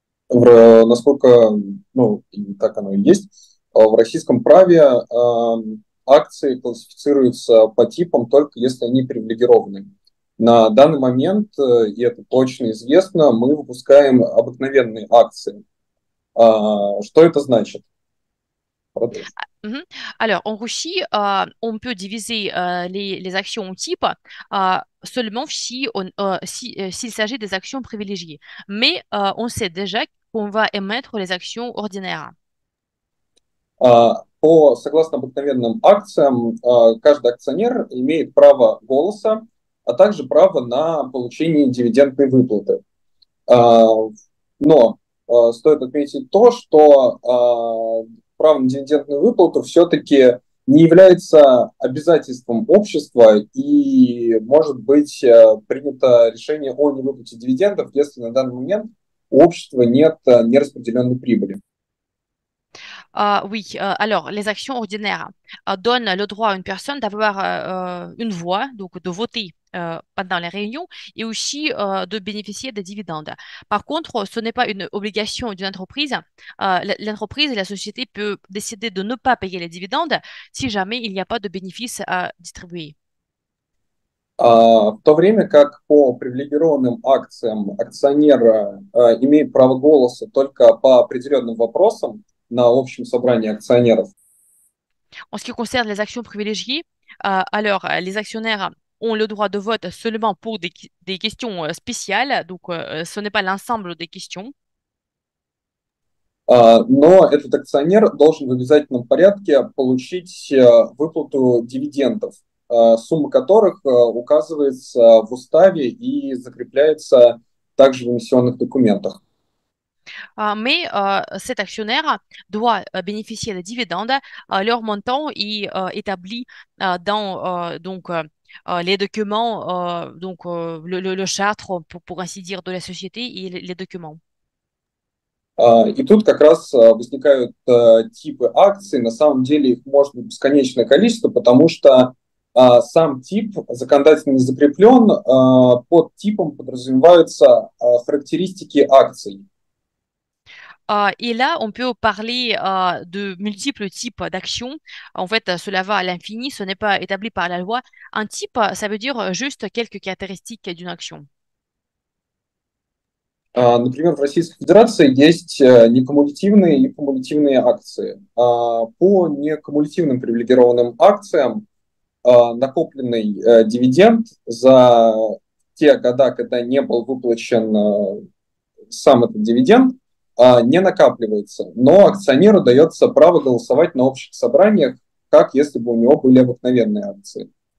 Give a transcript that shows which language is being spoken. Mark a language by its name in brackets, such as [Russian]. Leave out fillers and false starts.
[Russian] Насколько, ну, так оно и есть, в российском праве акции классифицируются по типам только если они привилегированы. На данный момент, и это точно известно, мы выпускаем обыкновенные акции. Что это значит? Продолжим. [French] Alors, en Russie, on peut diviser les actions type seulement s'il s'agit des actions privilégiées. Mais on sait déjà qu'on va émettre les actions ordinaires. [Russian] Согласно обыкновенным акциям, каждый акционер имеет право голоса, а также право на получение дивидендной выплаты. Но стоит отметить то, что право на дивидендную выплату все-таки не является обязательством общества и может быть принято решение о невыплате дивидендов, если на данный момент у общества нет нераспределенной прибыли. [French] Alors, les actions ordinaires donnent le droit à une personne d'avoir une voix, donc de voter pendant les réunions et aussi de bénéficier des dividendes. Par contre, ce n'est pas une obligation d'une entreprise. L'entreprise et la société peuvent décider de ne pas payer les dividendes si jamais il n'y a pas de bénéfices à distribuer. [Russian] В то время как по привилегированным акциям акционер имеет право голоса только по определенным вопросам на общем собрании акционеров. [French] En ce qui concerne les actions privilégiées, alors les actionnaires ont le droit de vote seulement pour des questions spéciales, donc ce n'est pas l'ensemble des questions. [Russian] Но этот акционер должен в обязательном порядке получить выплату дивидендов, сумма которых указывается в уставе и закрепляется также в эмиссионных документах. [French] Mais cet actionnaire doit bénéficier des dividendes, leur montant est établi dans donc, les documents, donc le charte, pour ainsi dire, de la société et les documents. [Russian] И тут как раз возникают типы акций. На самом деле их может быть бесконечное количество, потому что сам тип законодательно не закреплен, под типом подразумеваются характеристики акций. [French] Et là, on peut parler de multiples types d'actions. En fait, cela va à l'infini, ce n'est pas établi par la loi. Un type, ça veut dire juste quelques caractéristiques d'une action. [Russian] Например, в Российской Федерации есть некумулятивные и кумулятивные акции. По некумулятивным привилегированным акциям накопленный дивиденд за те года, когда не был выплачен сам этот дивиденд, не накапливается, но акционеру дается право голосовать на общих собраниях, как если бы у него были обыкновенные акции.